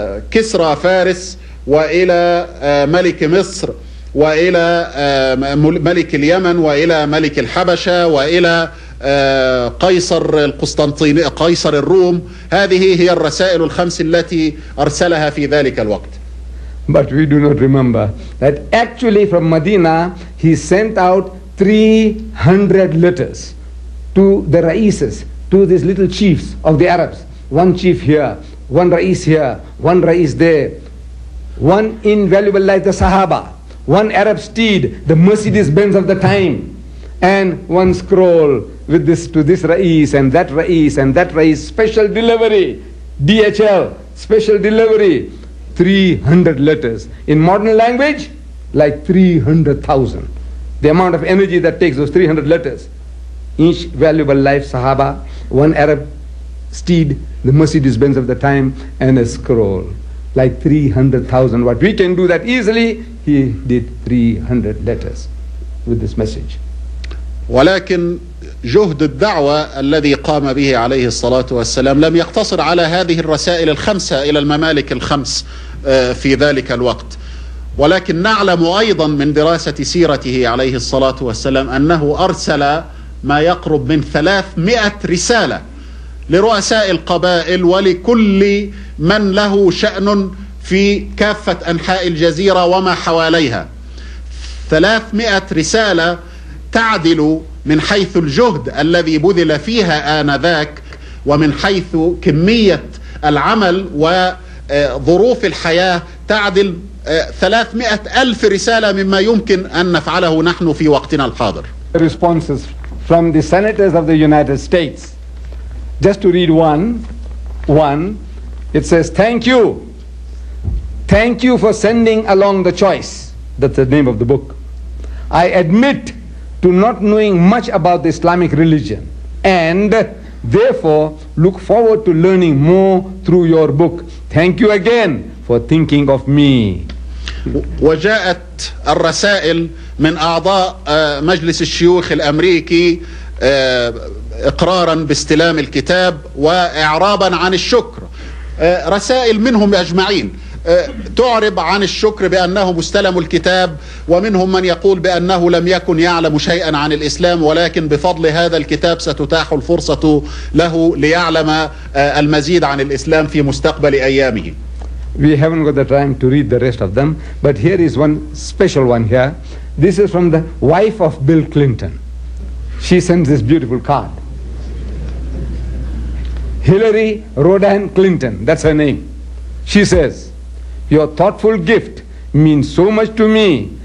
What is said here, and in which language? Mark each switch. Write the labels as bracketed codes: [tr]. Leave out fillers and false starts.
[ar] كسرى فارس، وإلى ملك مصر، وإلى ملك اليمن، وإلى ملك الحبشة، وإلى قيصر القسطنطيني، قيصر الروم. هذه هي الرسائل الخمس التي أرسلها في ذلك الوقت. [en] But we do not remember that actually from Medina he sent out 300 letters to the Ra'ises, to these little chiefs of the Arabs. One chief here, one Ra'is there. One invaluable like the Sahaba, one Arab steed, the Mercedes-Benz of the time. And one scroll with this to this Ra'is and that Ra'is and that Ra'is, special delivery, DHL, special delivery. 300 letters in modern language, like 300,000. The amount of energy that takes those 300 letters. Each valuable life, Sahaba, one Arab steed, the Mercedes-Benz of the time, and a scroll, like 300,000. What we can do that easily, he did 300 letters with this message. [ar] ولكن جهد الدعوة الذي قام به عليه الصلاة والسلام لم يقتصر على هذه الرسائل الخمسة إلى الممالك الخمس في ذلك الوقت، ولكن نعلم أيضا من دراسة سيرته عليه الصلاة والسلام أنه أرسل ما يقرب من 300 رسالة لرؤساء القبائل ولكل من له شأن في كافة أنحاء الجزيرة وما حواليها. 300 رسالة تعدل من حيث الجهد الذي بذل فيها آنذاك، ومن حيث كمية العمل وظروف الحياة تعدل 300,000 رسالة مما يمكن أن نفعله نحن في وقتنا الحاضر. [en] Responses from the senators of the United States. Just to read one. One, it says, thank you. Thank you for sending along the choice. That's the name of the book. I admit to not knowing much about the Islamic religion and therefore look forward to learning more through your book. Thank you again for thinking of me. [ar] وجاءت الرسائل من أعضاء مجلس الشيوخ الأمريكي إقرارا باستلام الكتاب وإعرابا عن الشكر. رسائل منهم أجمعين تعرب عن الشكر بأنهم استلموا الكتاب، ومنهم من يقول بأنه لم يكن يعلم شيئا عن الإسلام، ولكن بفضل هذا الكتاب ستتاح الفرصة له ليعلم المزيد عن الإسلام في مستقبل أيامه. [en] We haven't got the time to read the rest of them, but here is one special one here. This is from the wife of Bill Clinton. She sends this beautiful card. Hillary Rodham Clinton, that's her name. She says, your thoughtful gift means so much to me.